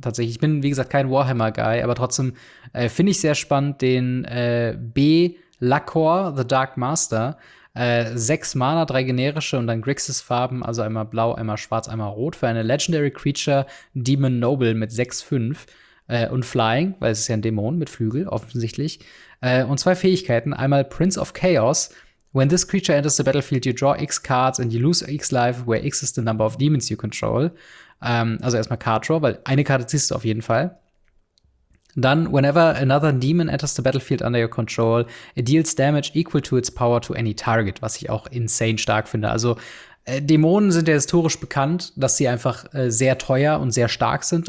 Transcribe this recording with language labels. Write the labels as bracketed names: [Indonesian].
[German] Tatsächlich, ich bin, wie gesagt, kein Warhammer-Guy, aber trotzdem finde ich sehr spannend den Lakor, The Dark Master. 6 Mana, 3 generische und dann Grixis-Farben, also einmal blau, einmal schwarz, einmal rot, für eine Legendary Creature Demon Noble mit 6/5 und Flying, weil es ist ja ein Dämon mit Flügel, offensichtlich. Und zwei Fähigkeiten, einmal Prince of Chaos. [English] When this creature enters the battlefield, you draw X cards and you lose X life, where X is the number of demons you control. [German] Also erstmal Card Draw, weil eine Karte ziehst du auf jeden Fall. Dann, [English] whenever another demon enters the battlefield under your control, it deals damage equal to its power to any target, [German] was ich auch insane stark finde. Also, Dämonen sind ja historisch bekannt, dass sie einfach sehr teuer und sehr stark sind.